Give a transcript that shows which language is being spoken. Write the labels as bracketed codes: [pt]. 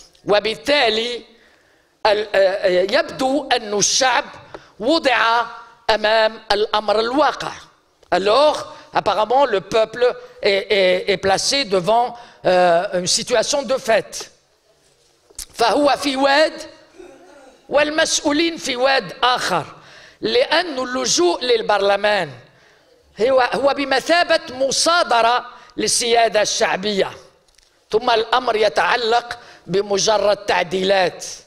[ar] وبالتالي يبدو أن الشعب وضع أمام الأمر الواقع. [fr] Alors, apparemment, le peuple est placé devant une situation de fait. [ar] فهو في واد والمسؤولين في واد آخر، لأن اللجوء للبرلمان هو بمثابة مصادرة للسيادة الشعبية، ثم الأمر يتعلق بمجرد تعديلات